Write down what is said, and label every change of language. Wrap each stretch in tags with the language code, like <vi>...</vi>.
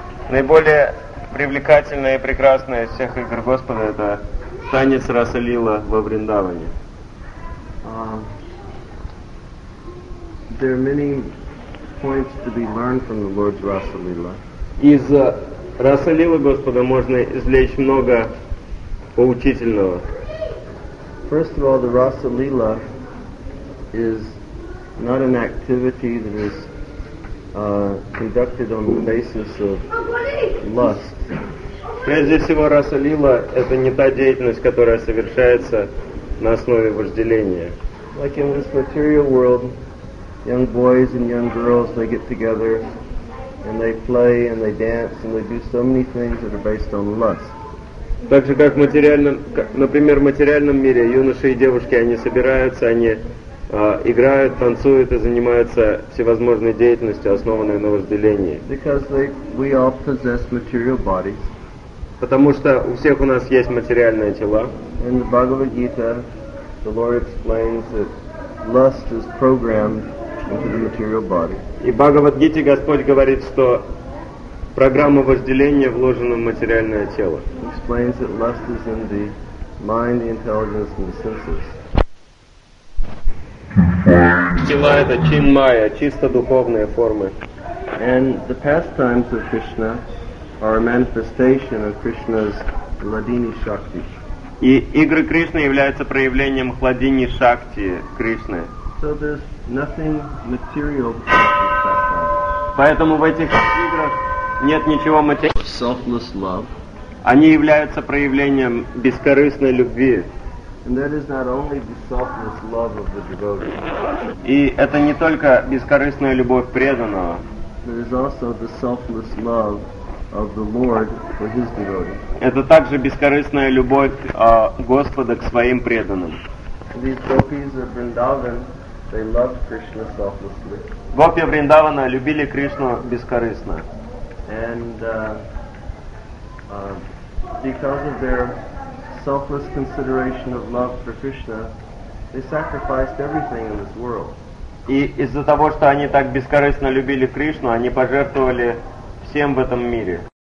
<ru>Наиболее привлекательная и прекрасная из всех игр Господа это танец Расалила во Вриндаване.</ru> <en>There are many points to be learned from the Lord's Rasalila.</en> <ru>Из Расалилы Господа можно извлечь много поучительного.</ru> <en>First of all, the Rasalila is not an activity that is conducted on the basis of lust.</en> <ru>Прежде всего, Расалила это не та деятельность, которая совершается на основе вожделения.</ru> <en>Like in this material world, young boys and young girls, they get together and they play and they dance and they do so many things that are based on lust.</en> <ru>Так же, как в материальном, например, в материальном мире, юноши и девушки, они собираются, они играют, танцуют и занимаются всевозможной деятельностью, основанной на вожделении.</ru> <en>Because we all possess material bodies.</en> <ru>Потому что у всех у нас есть материальные тела.</ru> <en>In the Bhagavad Gita, the Lord explains that lust is programmed into the material body.</en> <ru>И в Бхагавад-гите Господь говорит, что программа вожделения вложена в материальное тело.</ru> <en>Explains that lust is in the mind, the intelligence, and the senses.</en> <ru>Тела это чинмая, чисто духовные формы.</ru> <en>And the pastimes of Krishna are a manifestation of Krishna's ladini shakti.</en> <ru>И игры Кришны являются проявлением хладини шакти Кришны.</ru> <en>So there's nothing material</en> <ru>Поэтому в этих играх нет ничего материального.</ru> <en>Selfless love.</en> <ru>Они являются проявлением бескорыстной любви.</ru> <en>And that is not only the selfless love of the devotee.</en> <ru>И это не только бескорыстная любовь преданного.</ru> <en>It is also the selfless love of the Lord for his devotee.</en> <ru>Это также бескорыстная любовь Господа к своим преданным.</ru> <en>These gopis of Vrindavan, they loved Krishna selflessly.</en> <ru>Гопи Вриндавана любили Кришну бескорыстно.</ru> <en>And because of their selfless consideration of love for Krishna, they sacrificed everything in this world.</en> <ru>И из-за того, что они так бескорыстно любили Кришну, они пожертвовали всем в этом мире.</ru>